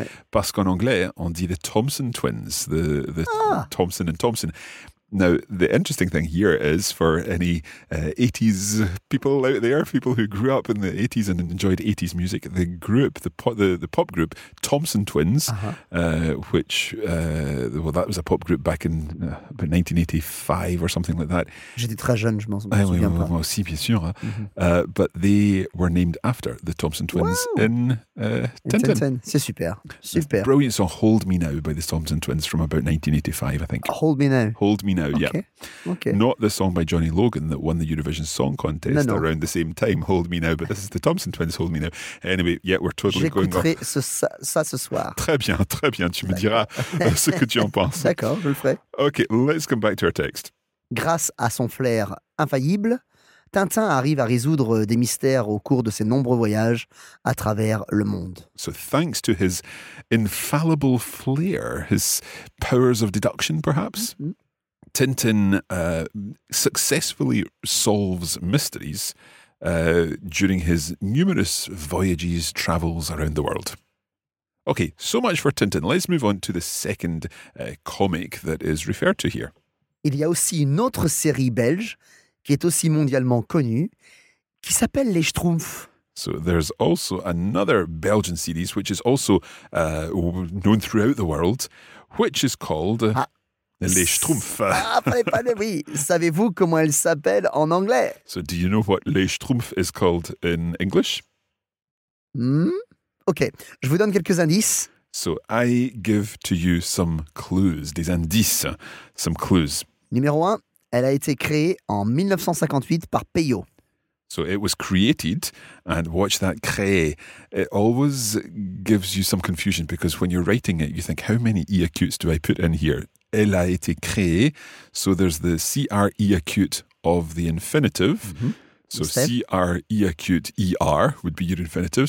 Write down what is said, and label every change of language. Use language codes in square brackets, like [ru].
[fr] Parce qu'en anglais, on dit the Thompson twins, Thompson and Thompson. [en] Now, the interesting thing here is for any 80s people out there, people who grew up in the 80s and enjoyed 80s music, the group, the pop group, Thompson Twins, that was a pop group back in about 1985 or something like that. [fr] J'étais très jeune, je m'en souviens pas. Moi aussi, bien sûr. Hein? [en] But they were named after the Thompson Twins in Tintin. [fr] C'est super. Super. [en] The brilliant song Hold Me Now by the Thompson Twins from about 1985, I think. Hold Me Now, okay. Yeah. Okay. Not the song by Johnny Logan that won the Eurovision Song Contest around the same time, Hold Me Now, but this is the Thompson Twins, Hold Me Now. Anyway, yeah, we're totally going off. [fr] J'écouterai ça ce soir. Très bien, très bien. Tu me diras ce que tu en penses. D'accord, je le ferai. [en] Okay, let's come back to our text. [fr] Grâce à son flair infaillible, Tintin arrive à résoudre des mystères au cours de ses nombreux voyages à travers le monde. [en] So thanks to his infallible flair, his powers of deduction perhaps, Tintin successfully solves mysteries during his numerous voyages, travels around the world. Okay, so much for Tintin. Let's move on to the second comic that is referred to here. [fr] Il y a aussi une autre série belge qui est aussi mondialement connue, qui s'appelle Les Schtroumpfs. [en] So there's also another Belgian series which is also known throughout the world, which is called Les Schtroumpfs. [fr] Oui, savez-vous comment elle s'appelle en anglais? [en] So do you know what Les Schtroumpfs is called in English? [fr] Ok, je vous donne quelques indices. [en] So I give to you some clues, des indices, some clues. [fr] Numéro 1, elle a été créée en 1958 par Peyot. [en] So it was created, and watch that créé. It always gives you some confusion because when you're writing it, you think, how many E acutes do I put in here? [fr] Elle a été créée. [en] So there's the C-R-E acute of the infinitive. Mm-hmm. So C-R-E acute E-R would be your infinitive.